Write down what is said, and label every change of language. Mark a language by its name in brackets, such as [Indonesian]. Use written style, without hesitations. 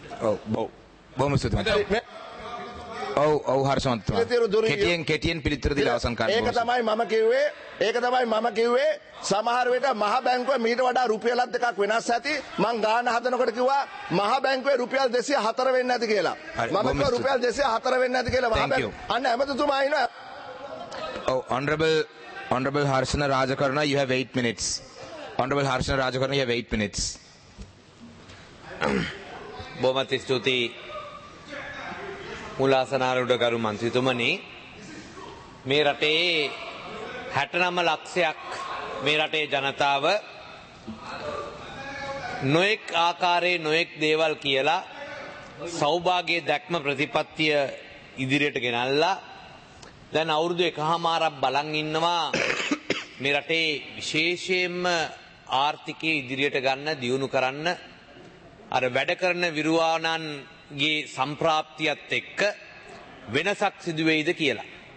[Sinhala] ඔව් බොහොම ස්තුතියි ඔව් හර්ෂවන්ත මහත්මයා කෙටියෙන් පිළිතුරු දීලා අවසන් කරන්න ඕනේ. ඒක තමයි මම කිව්වේ සමහර වෙලට මහ බැංකුවේ මීට වඩා රුපියල් 2ක් වෙනස් ඇති. මං ගාන හදනකොට කිව්වා මහ බැංකුවේ රුපියල් 204 වෙන්නේ නැති කියලා. මම කිව්වා රුපියල් 204 වෙන්නේ නැති කියලා. අන්න එමෙතුමා අහිනවා. ඔව් [English] honorable Harshana Rajakaruna you have 8 minutes. honorable Harshana Rajakaruna you have 8 minutes. [Sinhala] බොමත් ස්තුති මුලාසනාරුඩ ගරු මන්ත්‍රීතුමනි මේ රටේ 69 ලක්ෂයක් මේ රටේ ජනතාව නොඑක් ආකාරයේ නොඑක් දේවල් කියලා සෞභාග්‍ය දැක්ම ප්‍රතිපත්තිය ඉදිරියට ගෙනල්ලා දැන් අවුරුදු එකහමාරක් බලන් ඉන්නවා මේ රටේ විශේෂයෙන්ම ආර්ථිකයේ ඉදිරියට ගන්න දියුණු කරන්න අර වැඩ කරන විරුවානන් ගේ සම්ප්‍රාප්තියත් එක්ක වෙනසක් සිදු වෙයිද කියලා.